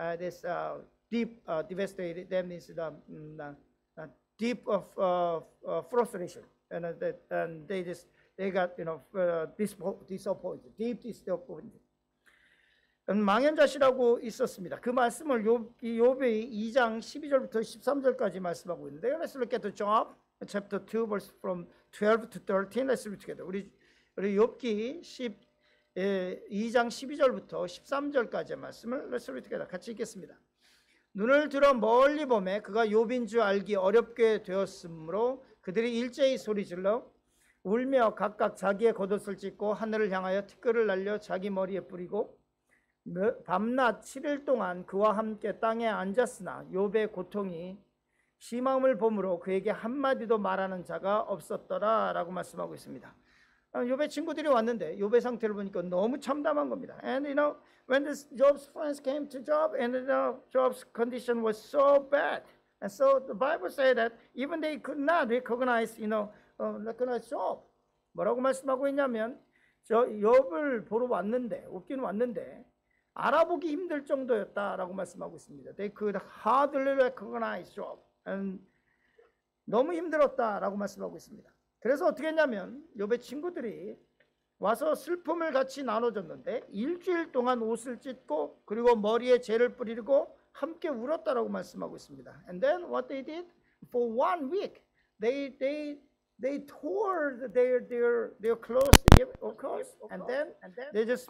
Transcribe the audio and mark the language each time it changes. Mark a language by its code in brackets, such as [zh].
[en] This deep devastated them is the deep of frustration and that and they just they got you know disappointed deep disappointed [ko] 망연자실하고 있었습니다. 그 말씀을 요비 2장 12절부터 13절까지 말씀하고 있는데요. [en] Let's look at the Job chapter 2 verse from 12 to 13. Let's read together. [ko] 우리 욥기 2장 12절부터 13절까지 말씀을 Let's read together. 같이 읽겠습니다. 눈을 들어 멀리 보매 그가 욥인 줄 알기 어렵게 되었으므로 그들이 일제히 소리 질러 울며 각각 자기의 겉옷을 찢고 하늘을 향하여 티끌을 날려 자기 머리에 뿌리고 밤낮 7일 동안 그와 함께 땅에 앉았으나 욥의 고통이 심함을 보므로 그에게 한마디도 말하는 자가 없었더라 라고 말씀하고 있습니다. 욥의 친구들이 왔는데 욥의 상태를 보니까 너무 참담한 겁니다. [en] And you know, when this Job's friends came to Job, and you know, Job's condition was so bad, and so the Bible said that even they could not recognize, you know, recognize Job. [ko] 뭐라고 말씀하고 있냐면, 저 욥을 보러 왔는데, 웃긴 왔는데, 알아보기 힘들 정도였다라고 말씀하고 있습니다. [en] They could hardly recognize Job, and [ko] 너무 힘들었다라고 말씀하고 있습니다. 그래서 어떻게 했냐면 욥의 친구들이 와서 슬픔을 같이 나눠줬는데 일주일 동안 옷을 찢고 그리고 머리에 젤을 뿌리고 함께 울었다라고 말씀하고 있습니다. [en] And then what they did for one week, they tore their clothes, of course, and then they just